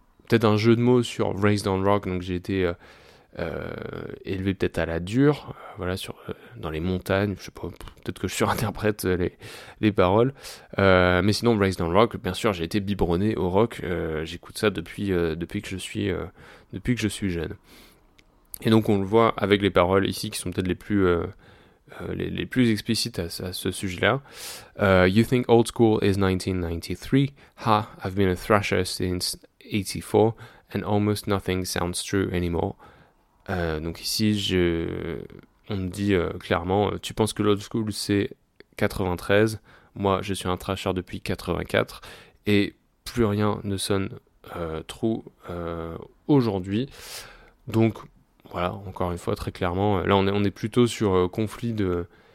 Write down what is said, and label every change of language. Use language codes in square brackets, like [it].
[fr] Peut-être un jeu de mots sur « Raised on Rock », donc j'ai été élevé peut-être à la dure, dans les montagnes, je sais pas, peut-être que je surinterprète les paroles. Mais sinon, « Raised on Rock », bien sûr, j'ai été biberonné au rock, j'écoute ça depuis que je suis jeune. Et donc on le voit avec les paroles ici qui sont peut-être les plus explicites à ce sujet-là. [en] You think old school is 1993? Ha, I've been a thrasher since 84 And almost nothing sounds true anymore. [fr] Donc ici, on me dit clairement, tu penses que l'old school c'est 93, moi je suis un trasher depuis 84, et plus rien ne sonne true aujourd'hui. Donc voilà, encore une fois, très clairement, là on est plutôt sur conflit de...